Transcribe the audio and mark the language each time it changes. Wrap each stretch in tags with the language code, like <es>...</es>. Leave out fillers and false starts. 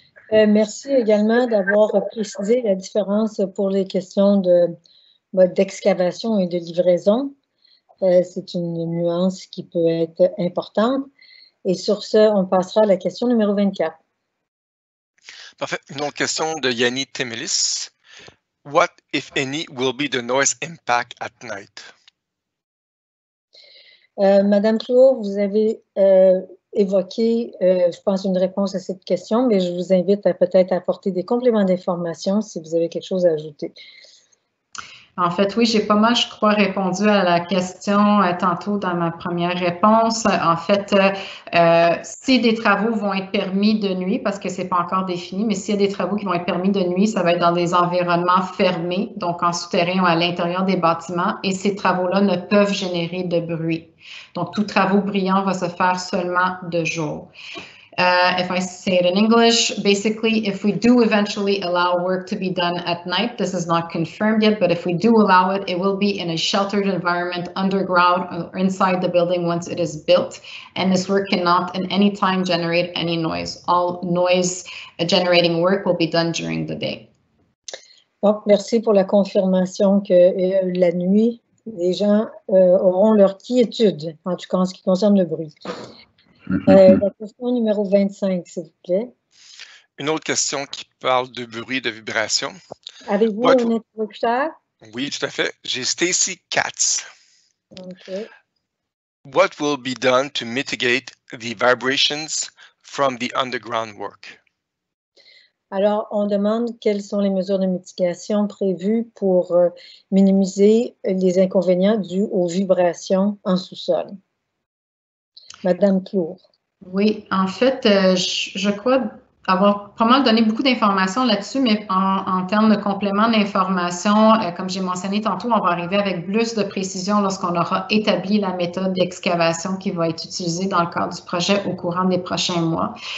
<fr>Merci également d'avoir précisé la différence pour les questions d'excavation et de livraison. C'est une nuance qui peut être importante. Et sur ce, on passera à la question numéro 24. Parfait. Une autre question de Yanni Temelis.</fr> <en>What, if any, will be the noise impact at night?</en> <fr>Madame Trouot, vous avez évoqué, je pense, une réponse à cette question, mais je vous invite à peut-être apporter des compléments d'information si vous avez quelque chose à ajouter. En fait, oui, j'ai pas mal, je crois, répondu à la question tantôt dans ma première réponse. En fait, si des travaux vont être permis de nuit, parce que c'est pas encore défini, mais s'il y a des travaux qui vont être permis de nuit, ça va être dans des environnements fermés, donc en souterrain ou à l'intérieur des bâtiments, et ces travaux-là ne peuvent générer de bruit. Donc, tout travaux bruyants va se faire seulement de jour.</fr> <en>If I say it in English, basically, if we do eventually allow work to be done at night, this is not confirmed yet, but if we do allow it, it will be in a sheltered environment underground or inside the building once it is built. And this work cannot in any time generate any noise. All noise generating work will be done during the day.</en> <fr>Bon, merci pour la confirmation que la nuit, les gens auront leur quiétude, en tout cas en ce qui concerne le bruit. La question numéro 25, s'il vous plaît. Une autre question qui parle de bruit, de vibration. Avez-vous un interrupteur? Oui, tout à fait. J'ai Stacy Katz. OK.</fr> <en>What will be done to mitigate the vibrations from the underground work?</en> <fr>Alors, on demande quelles sont les mesures de mitigation prévues pour minimiser les inconvénients dus aux vibrations en sous-sol. Madame Clour. Oui, en fait, je crois avoir pas mal donné beaucoup d'informations là-dessus, mais en termes de complément d'information, comme j'ai mentionné tantôt, on va arriver avec plus de précision lorsqu'on aura établi la méthode d'excavation qui va être utilisée dans le cadre du projet au courant des prochains mois.</fr>